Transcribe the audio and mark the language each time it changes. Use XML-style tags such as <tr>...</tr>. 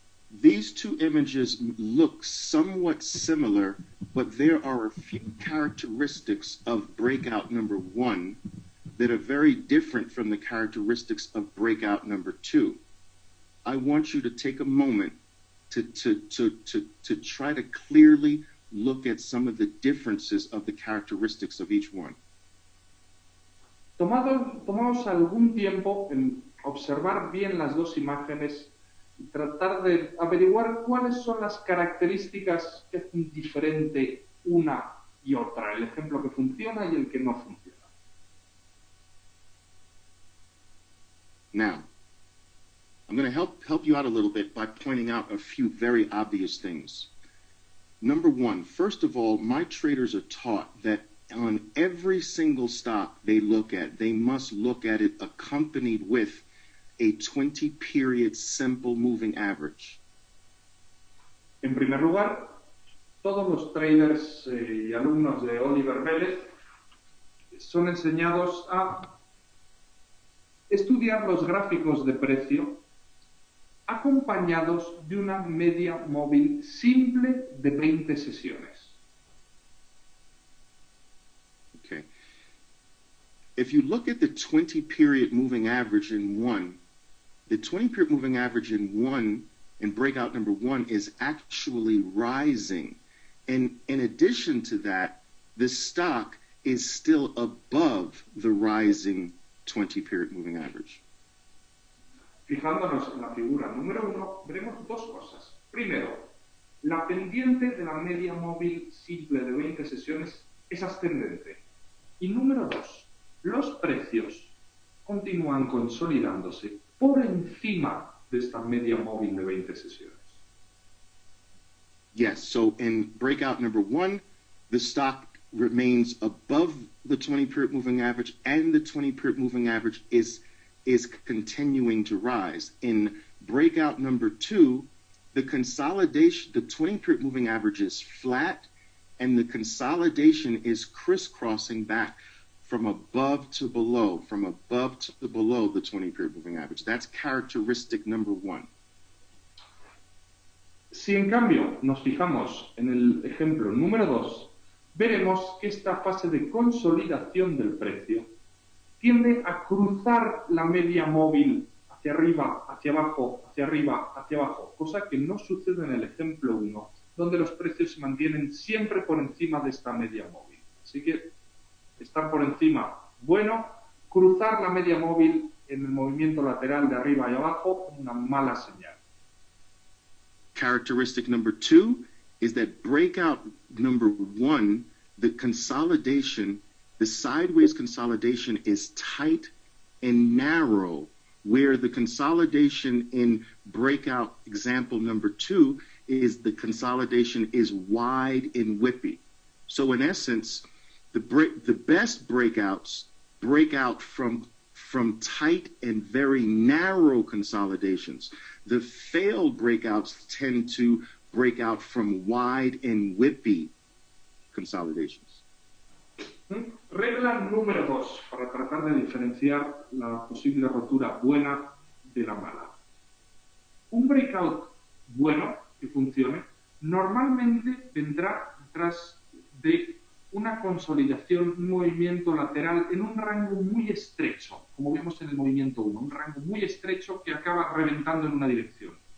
<en>These two images look somewhat similar, but there are a few characteristics of breakout number one that are very different from the characteristics of breakout number two. I want you to take a moment to try to clearly look at some of the differences of the characteristics of each one.</en> <es>Tomamos algún tiempo en observar bien las dos imágenes y tratar de averiguar cuáles son las características que hacen diferente una y otra, el ejemplo que funciona y el que no funciona.</es> <en>Now, I'm going to help you out a little bit by pointing out a few very obvious things. Number one, first of all, my traders are taught that on every single stock they look at, they must look at it accompanied with a 20-period simple moving average.</en> <es>En primer lugar, todos los traders y alumnos de Oliver Vélez son enseñados a estudiar los gráficos de precio acompañados de una media móvil simple de 20 sesiones.</es> <en>Okay. If you look at the 20-period moving average in one, the 20-period moving average in one, in breakout number one, is actually rising. And in addition to that, the stock is still above the rising 20-period moving average.</en> <es>Fijándonos en la figura número uno, veremos dos cosas. Primero, la pendiente de la media móvil simple de 20 sesiones es ascendente. Y número dos, los precios continúan consolidándose por encima de esta media móvil de 20 sesiones.</es> <en>Yes, so in breakout number one, the stock remains above the 20-period moving average, and the 20-period moving average is continuing to rise. In breakout number two, the consolidation, the 20-period moving average is flat, and the consolidation is crisscrossing back from above to below, from above to below the 20-period moving average. That's characteristic number one.</en> <es>Si en cambio nos fijamos en el ejemplo número dos, veremos que esta fase de consolidación del precio tiende a cruzar la media móvil hacia arriba, hacia abajo, hacia arriba, hacia abajo, cosa que no sucede en el ejemplo 1, donde los precios se mantienen siempre por encima de esta media móvil. Así que estar por encima, bueno, cruzar la media móvil en el movimiento lateral de arriba y abajo, una mala señal.</es> <en>Characteristic number 2 is that breakout number 1, the consolidation, the sideways consolidation is tight and narrow, where the consolidation in breakout example number two is the consolidation is wide and whippy. So in essence, the best breakouts break out from tight and very narrow consolidations. The failed breakouts tend to break out from wide and whippy consolidations.</en> <es>Regla número dos para tratar de diferenciar la posible rotura buena de la mala. Un breakout bueno que funcione normalmente vendrá detrás de una consolidación, un movimiento lateral en un rango muy estrecho, como vimos en el movimiento 1, un rango muy estrecho que acaba reventando en una dirección.</es>